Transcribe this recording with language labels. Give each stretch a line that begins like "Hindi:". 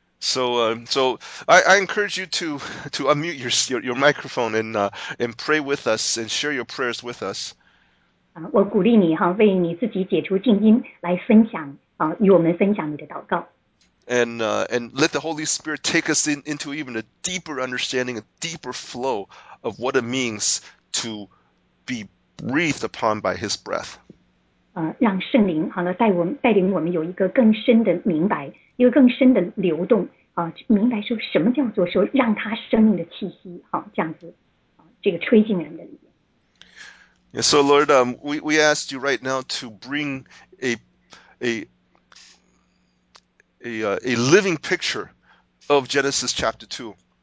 English: So I encourage you to unmute your microphone and pray with us and share your prayers with us.
Chinese: 我鼓励你为你自己解除静音来分享与我们分享你的祷告。
English: And let the Holy Spirit take us into even a deeper understanding, a deeper flow of what it means to be breathed upon by His breath.
Chinese: 让圣灵带领我们有一个更深的明白，一个更深的流动明白说什么叫做说让他生命的气息这样子这个吹进人的里面。
English: Yeah, so Lord, we ask you right now to bring a living picture of Genesis chapter 2.